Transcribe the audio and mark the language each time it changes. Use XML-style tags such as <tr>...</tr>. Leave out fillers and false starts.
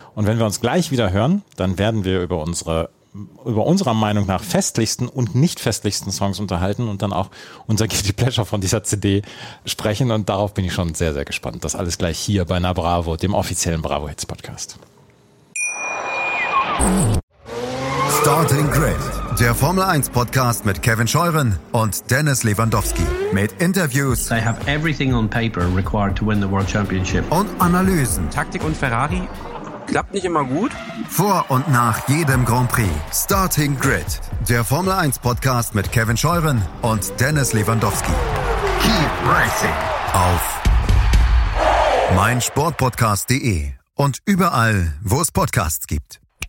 <de>Und wenn wir uns gleich wieder hören, dann werden wir über unserer Meinung nach festlichsten und nicht festlichsten Songs unterhalten und dann auch unser Guilty Pleasure von dieser CD sprechen. Und darauf bin ich schon sehr, sehr gespannt. Das alles gleich hier bei Na Bravo, dem offiziellen Bravo Hits Podcast. Starting Grid, der Formel 1 Podcast mit Kevin Scheuren und Dennis Lewandowski. Mit Interviews.</de> <en>They have everything on paper required to win the World Championship.</en> <de>Und Analysen. Taktik und Ferrari. Klappt nicht immer gut. Vor und nach jedem Grand Prix. Starting Grid, der Formel 1 Podcast mit Kevin Scheuren und Dennis Lewandowski.</de> <en>Keep racing.</en> <de>Auf meinsportpodcast.de und überall, wo es Podcasts gibt.</de>